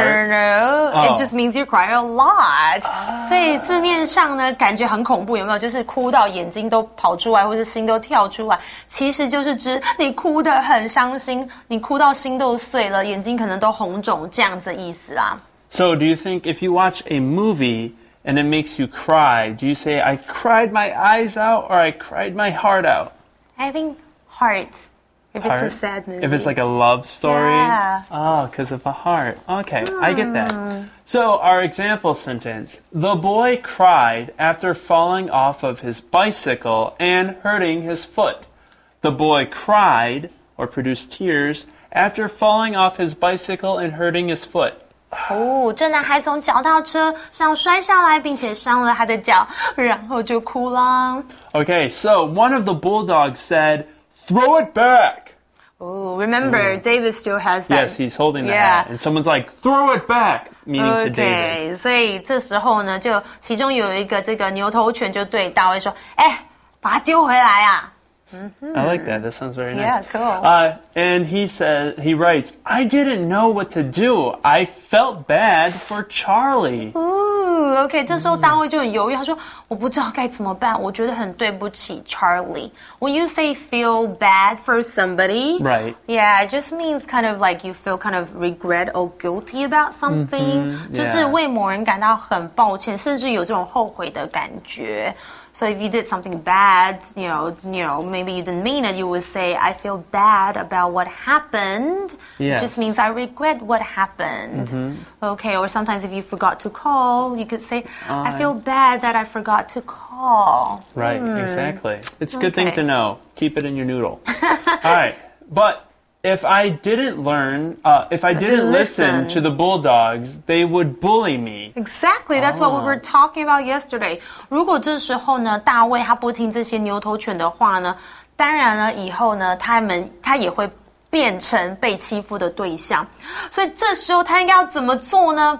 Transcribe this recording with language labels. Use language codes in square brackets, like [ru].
[en] No. It just means you cry a lot. [zh] 所以字面上呢感觉很恐怖有没有就是哭到眼睛都跑出来或是心都跳出来。其实就是指你哭得很伤心你哭到心都碎了眼睛可能都红肿这样子的意思啦。 [en] So do you think if you watch a movie and it makes you cry, do you say, I cried my eyes out or I cried my heart out? I think heart, if heart? It's a sad movie. If it's like a love story? Yeah. Oh, because of a heart. Okay, I get that. So our example sentence, the boy cried after falling off of his bicycle and hurting his foot. The boy cried, or produced tears, after falling off his bicycle and hurting his foot. [zh] 哦，这男孩从脚踏车上摔下来，并且伤了他的脚，然后就哭了。 [en] Okay, so one of the bulldogs said, throw it back. Oh, remember, David still has that. Yes, he's holding the hat. And someone's like, throw it back, meaning to David. [zh] Okay, 所以这时候呢，就其中有一个这个牛头犬就对大卫说，哎，把它丢回来啊。 [en] Mm-hmm. I like that. That sounds very nice. Yeah, cool. And he writes, I didn't know what to do. I felt bad for Charlie. [zh] Ooh, okay. 这时候大卫就很犹豫，他说，我不知道该怎么办，我觉得很对不起 Charlie. [en] When you say feel bad for somebody, right. Yeah, it just means kind of like you feel kind of regret or guilty about something. Mm-hmm. [zh] 就是为某人感到很抱歉，甚至有这种后悔的感觉。 [en] So if you did something bad, you know, maybe you didn't mean it, you would say, I feel bad about what happened. Yes. It just means I regret what happened. Mm-hmm. Okay, or sometimes if you forgot to call, you could say, I feel bad that I forgot to call. Right, exactly. It's a good thing to know. Keep it in your noodle. All right, but if I didn't learn, if I didn't listen to the bulldogs, they would bully me. Exactly, that's what we were talking about yesterday. [zh] 如果这时候呢，大卫他不听这些牛头犬的话呢，当然呢，以后呢，他也会变成被欺负的对象。所以这时候他应该要怎么做呢？